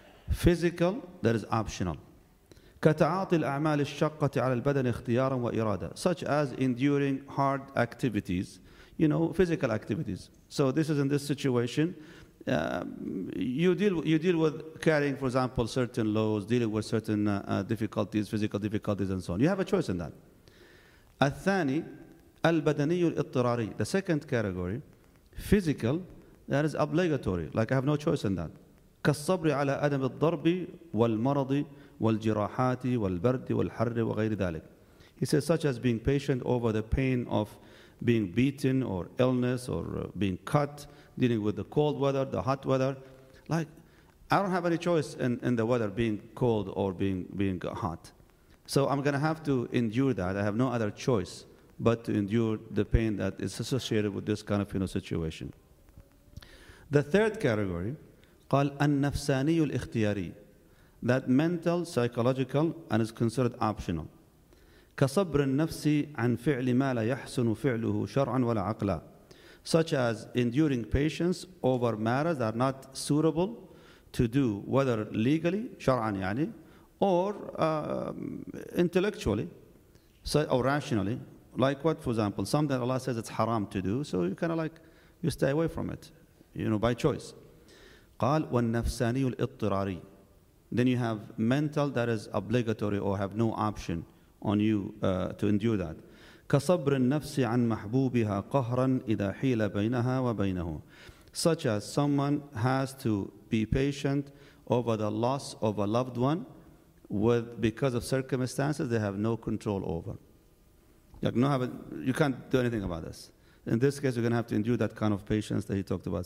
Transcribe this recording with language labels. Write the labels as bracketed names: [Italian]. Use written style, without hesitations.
[English] Physical, that is optional. [Arabic] كتعاطي الأعمال الشاقة على البدن اختيارا وإرادة. [English] Such as enduring hard activities, you know, physical activities. So this is in this situation. You deal with carrying, for example, certain loads, dealing with certain difficulties, physical difficulties, and so on. You have a choice in that. [Arabic] الثاني البدني الاضطراري. [English] The second category, physical, that is obligatory. Like I have no choice in that. [Arabic] كالصبر على أدم الضرب والمرض والجراحات والبرد والحر وغير ذلك. [English] He says such as being patient over the pain of being beaten or illness or being cut. Dealing with the cold weather, the hot weather. Like, I don't have any choice in the weather being cold or being hot. So I'm going to have to endure that. I have no other choice but to endure the pain that is associated with this kind of, you know, situation. The third category, [Arabic] قال النفساني الاختياري, [English] that mental, psychological, and is considered optional. [Arabic] كصبر النفس عن فعل ما لا يحسن فعله شرعا ولا عقلا. [English] Such as enduring patience over matters that are not suitable to do, whether legally, [Arabic] شرعاً يعني, [English] or intellectually, so, or rationally. Like what, for example, something that Allah says it's haram to do, so you kind of like, you stay away from it, you know, by choice. [Arabic] قال والنفساني الاضطراري. [English] Then you have mental that is obligatory or have no option on you to endure that. [Arabic] كصبر النفس عن محبوبها قهرا إذا حيل بينها وبينه. [English] Such as someone has to be patient over the loss of a loved one with, because of circumstances they have no control over. Like no, you can't do anything about this. In this case, you're going to have to endure that kind of patience that he talked about.